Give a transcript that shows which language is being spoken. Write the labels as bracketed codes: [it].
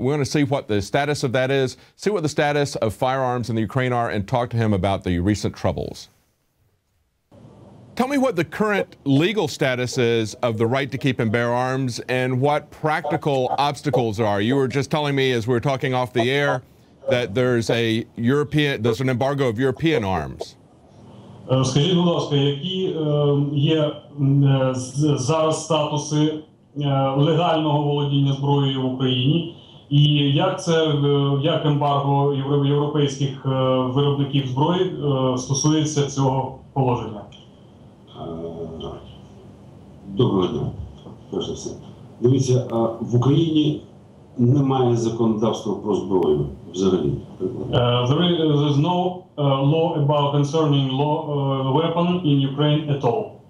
[en] We want to see what the status of that is, see what the status of firearms in the Ukraine are, and talk to him about the recent troubles. Tell me what the current legal status is of the right to keep and bear arms and what practical obstacles are. You were just telling me as we were talking off the air that there's an embargo of European arms. [uk] Скажіть, будь ласка, які є зараз статуси легального володіння зброєю в Україні, і як ембарго європейських виробників зброї стосується цього положення? Доброго дня, перш за все. Дивіться, в Україні немає законодавства про зброю взагалі. [en] There is no law about concerning law weapon in Ukraine at all.